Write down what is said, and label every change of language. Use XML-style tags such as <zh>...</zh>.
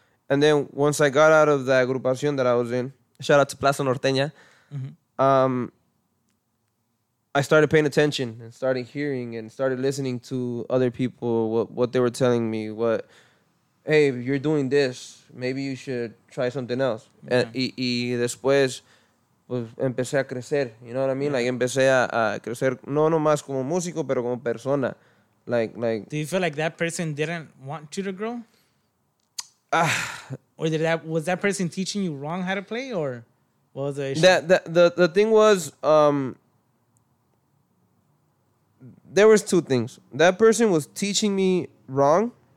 <en>And then once I got out of that agrupación that I was in, shout out to Plaza Norteña. Mm-hmm. I started paying attention and started hearing and started listening to other people, what they were telling me, what, hey, you're doing this, maybe you should try something else. Yeah. And</en> <es>después, pues, empecé a crecer,</es> <en>you know what I mean? Yeah. Like,</en> <es>empecé a crecer, no más como músico, pero como persona.</es> <en>Like. Do you feel like that person didn't want you to grow? Or was that person teaching you wrong how to play, or... The thing was, there was two things. That person was teaching me wrong.</en>